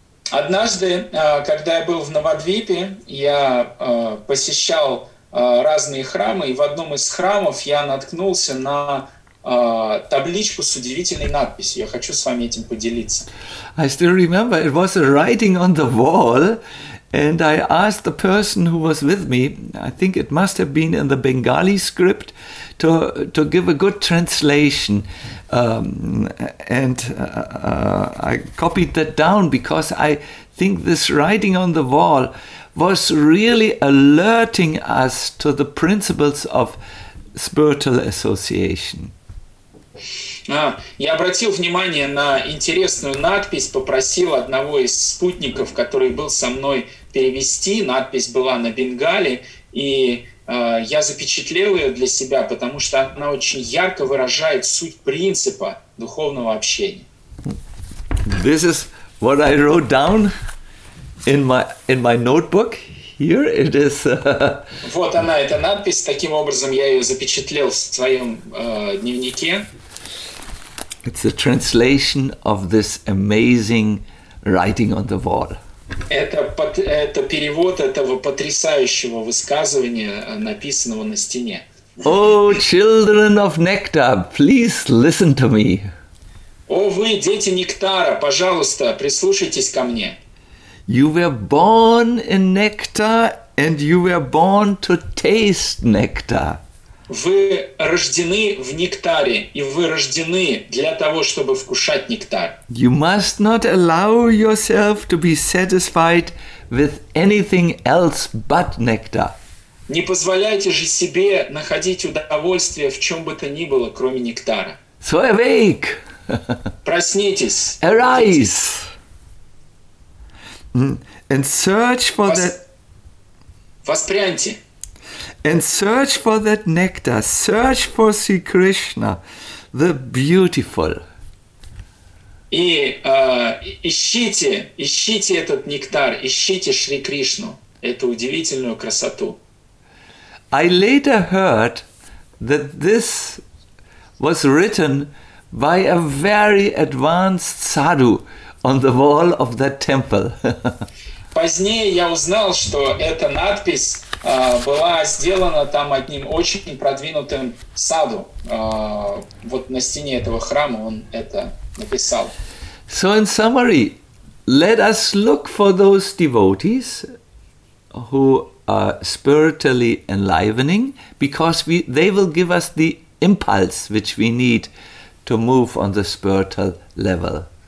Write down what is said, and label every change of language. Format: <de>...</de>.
<ru>Однажды, когда я был в Навадвипе, я посещал разные храмы, и в одном из храмов я наткнулся на табличку с удивительной надписью. Я хочу с вами этим поделиться.</ru> <en>I still remember it was a writing on the wall, and I asked the person who was with me, I think it must have been in the Bengali script, to give a good translation. I copied that down because I think this writing on the wall was really alerting us to the principles of spiritual association.</en> <ru>Я обратил внимание на интересную надпись, попросил одного из спутников, который был со мной, перевести. Надпись была на бенгали, и я запечатлел ее для себя, потому что она очень ярко выражает суть принципа духовного общения.</ru> <en>This is what I wrote down in my notebook. Here it is.</en> <ru>Вот она, эта надпись. Таким образом я ее запечатлел в своем дневнике.</ru> <en>It's a translation of this amazing writing on the wall.</en> <ru>Это перевод этого потрясающего высказывания, написанного на стене.</ru> <en>Oh, children of nectar, please listen to me.</en> <ru>О, вы, дети нектара, пожалуйста, прислушайтесь ко мне.</ru> <en>You were born in nectar, and you were born to taste nectar.</en> <ru>Вы рождены в нектаре, и вы рождены для того, чтобы вкушать нектар.</ru> <en>You must not allow yourself to be satisfied with anything else but nectar.</en> <ru>Не позволяйте же себе находить удовольствие в чем бы то ни было, кроме нектара.</ru> <en>So awake!</en> <ru>Проснитесь!</ru> <en>Arise! And search for that...</en> <ru>Воспряньте!</ru> <en>And search for that nectar, search for Sri Krishna, the beautiful.</en> <ru>И ищите этот нектар, ищите Шри Кришну, эту удивительную красоту.</ru> <en>I later heard that this was written by a very advanced sadhu on the wall of that temple.</en> <ru>Позднее я узнал, что эта надпись была сделана там одним очень продвинутым саду. Вот на стене этого храма он это написал.</ru> <en>So in summary, let us look for those devotees who are spiritually enlivening, because they will give us the impulse which we need to move on the spiritual level.</en>